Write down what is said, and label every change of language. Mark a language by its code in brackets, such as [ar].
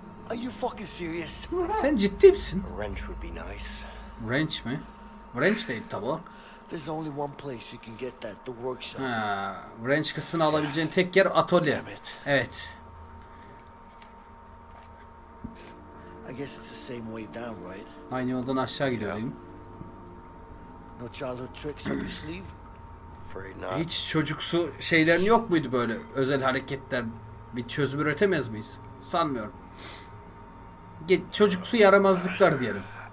[en] Are you fucking serious? [tr] Sen ciddi misin? [en] Wrench would be nice. [tr] Wrench mi? Wrench değil tabi. [en] There's only one place you can get that, the workshop. [tr] Ha, wrench kısmını alabileceğin tek yer atölye. Evet. [en] I guess it's the same way down, right? [tr] Aynı yoldan aşağı gidiyorum. [en] No childhood tricks on your sleeve? Afraid not. [tr] Hiç çocuksu şeylerin yok muydu böyle özel hareketler? Bir çözüm üretemez miyiz? Sanmıyorum. Çocuksu yaramazlıklar diyelim.